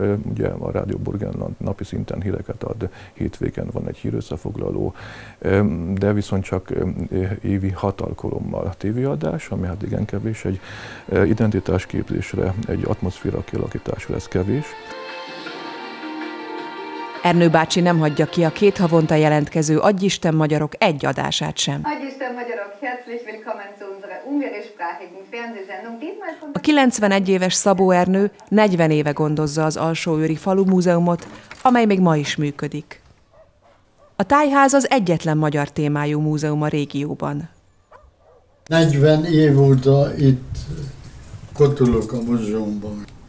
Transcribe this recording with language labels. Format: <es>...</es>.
<hu>ugye a Rádió Burgenland napi szinten híreket ad, hétvégén van egy hírösszefoglaló, de viszont csak évi 6 alkalommal a tévéadás, ami hát igen kevés, egy identitásképzésre, egy atmoszféra kialakításra ez kevés. Ernő bácsi nem hagyja ki a két havonta jelentkező Adj Isten Magyarok egy adását sem.</hu> <de>Adj Isten Magyarok, herzlich willkommen zu unserer ungarischsprachigen Fernsehsendung.</de> <hu>A 91 éves Szabó Ernő 40 éve gondozza az Alsóőri Falu Múzeumot, amely még ma is működik. A tájház az egyetlen magyar témájú múzeum a régióban. 40 év óta itt kotulok a múzeumban.</hu>